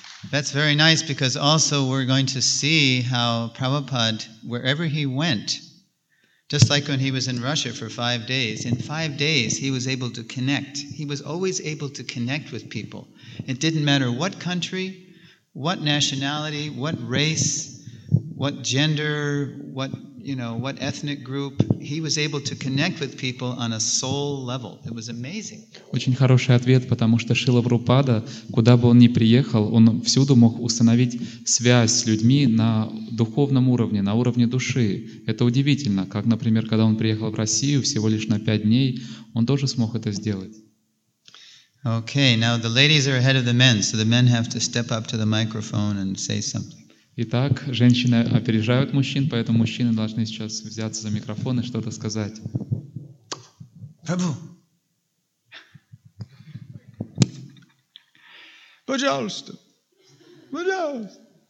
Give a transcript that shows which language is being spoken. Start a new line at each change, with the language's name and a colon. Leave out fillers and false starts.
English: That's very nice, because also we're going to see how Prabhupada, wherever he went, just like when he was in Russia for 5 days, in 5 days he was able to connect. He was always able to connect with people. It didn't matter what country, what nationality, what race, what gender, what, you know, what ethnic group, he was able to connect with people on a soul level. It was amazing.
Russian: Очень хороший ответ, потому что Шрила Прабхупада, куда бы он ни приехал, он всюду мог установить связь с людьми на духовном уровне, на уровне души. Это удивительно, как, например, когда он приехал в Россию всего лишь на 5 дней, он тоже смог это сделать.
English: Okay, now the ladies are ahead of the men, so the men have to step up to the microphone and say something.
Russian: Итак, женщины опережают мужчин, поэтому мужчины должны сейчас взяться за микрофон и что-то сказать. Прабу. Пожалуйста. Пожалуйста.